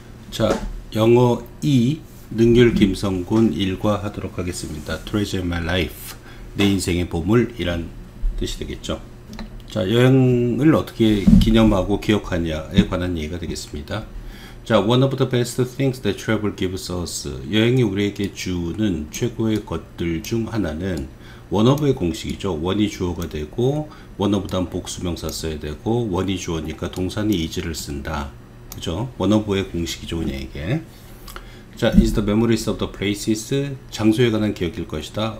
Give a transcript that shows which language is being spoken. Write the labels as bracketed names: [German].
[Korean] 자, 영어 2 능률 김성곤 1과 하도록 하겠습니다. [English] Treasure my life. [Korean] 내 인생의 보물이란 뜻이 되겠죠. 자, 여행을 어떻게 기념하고 기억하냐에 관한 얘기가 되겠습니다. 자, [English] one of the best things that travel gives us. [Korean] 여행이 우리에게 주는 최고의 것들 중 하나는 one of의 공식이죠. one이 주어가 되고 one of 다음 복수명사 써야 되고 one이 주어니까 동사는 is를 쓴다. 그죠? one of의 공식이죠, 우리에게. 자, [English] is the memories of the places, [Korean] 장소에 관한 기억일 것이다.